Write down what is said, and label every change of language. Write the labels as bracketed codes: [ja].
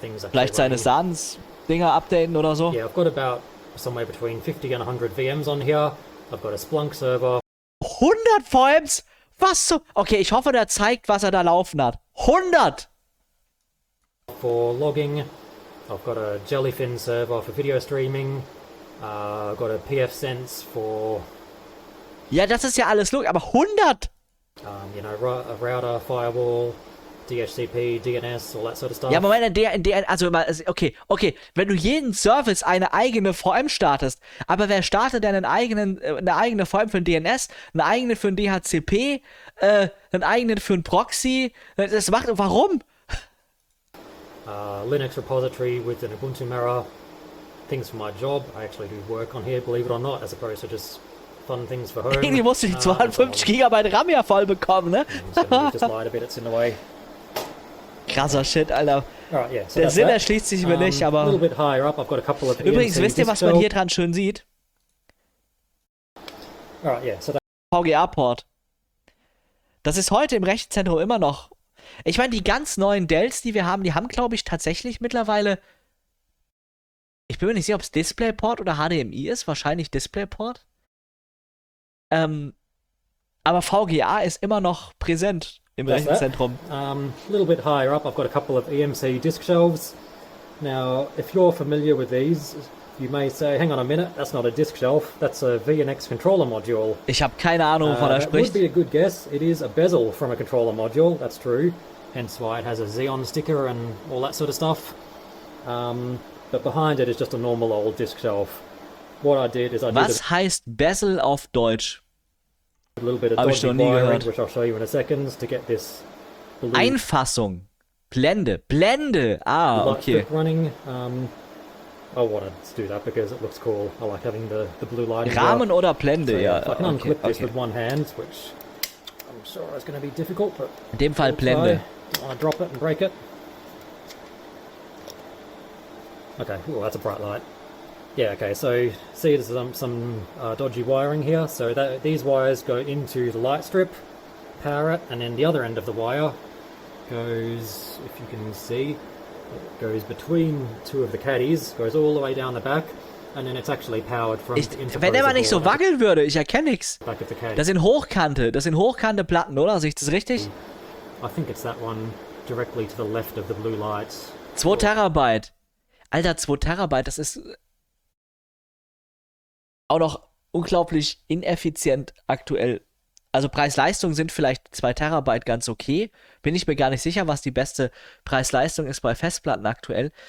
[de] Vielleicht seine SAN-Dinger updaten oder so. [en] Yeah, I've got about somewhere between 50 and 100 VMs on here. I've got a Splunk server. [de] 100 VMs? Was so? Okay, ich hoffe, der zeigt, was er da laufen hat. 100! [en] For logging. I've got a Jellyfin server for video streaming. I've got a pfSense for. [de] Ja, das ist ja alles Look, aber 100! [en] You know, a router, firewall, DHCP, DNS, all that sort of stuff. [de] Ja, Moment, okay. Wenn du jeden Service eine eigene VM startest, aber wer startet denn eine eigene VM für ein DNS, eine eigene für ein DHCP, einen eigenen für ein Proxy? Das macht. Warum? [en] Linux repository with an Ubuntu mirror. Things for my job. I actually do work on here, believe it or not, as opposed to just fun things for home. [de] Irgendwie musst du die 52 GB RAM ja voll bekommen, ne? [en] So just lied a bit, it's in the way. [de] Krasser Shit, Alter. [en] Right, yeah, so [de] der Sinn erschließt sich mir nicht, aber. [en] A bit higher up. I've got a couple of [de] übrigens, wisst ihr, was man hier dran schön sieht? [en] Right, yeah, so that... [de] VGA-Port. Das ist heute im Rechenzentrum immer noch. Ich meine, die ganz neuen Dells, die wir haben, die haben, glaube ich, tatsächlich mittlerweile. Ich bin mir nicht sicher, ob es DisplayPort oder HDMI ist. Wahrscheinlich DisplayPort. Aber VGA ist immer noch präsent im Rechenzentrum. [en] Little bit higher up, I've got a couple of EMC disk shelves. Now, if you're familiar with these, you may say, hang on a minute, that's not a disk shelf, that's a VNX controller module. [de] Ich habe keine Ahnung, wovon er spricht. [en] Would be a good guess. It is a bezel from a controller module, that's true. Hence why it has a Xeon sticker and all that sort of stuff. But behind it is just a normal old disk shelf. What I did is I [de] was heißt bezel auf Deutsch? [en] A little bit of dodgy wiring, which I'll show you in a second, to get this blue. [de] Einfassung. Blende. Ah, okay. [en] Running. I wanted to do that because it looks cool. I like having the blue light. [de] Rahmen [en] well. [de] Oder Blende, [en] so, yeah. If I can unclip this with one hand, which I'm sure is going to be difficult, but [de] in dem Fall Blende. [en] Don't want to drop it and break it. Okay. Oh, that's a bright light. Yeah. Okay. So see, there's some dodgy wiring here. So that these wires go into the light strip, power it, and then the other end of the wire goes. If you can see. It goes between two of the caddies, goes all the way down the back, and then it's actually powered from [de] ich, wenn er mal nicht so wackeln würde, ich erkenne nichts. Das sind hochkante Platten, oder? Sehe ich das richtig? [en] I think it's that one directly to the left of the blue lights. [de] 2 Terabyte. Alter, 2 Terabyte, das ist auch noch unglaublich ineffizient aktuell. Also Preis-Leistung sind vielleicht 2 Terabyte ganz okay. Bin ich mir gar nicht sicher, was die beste Preis-Leistung ist bei Festplatten aktuell.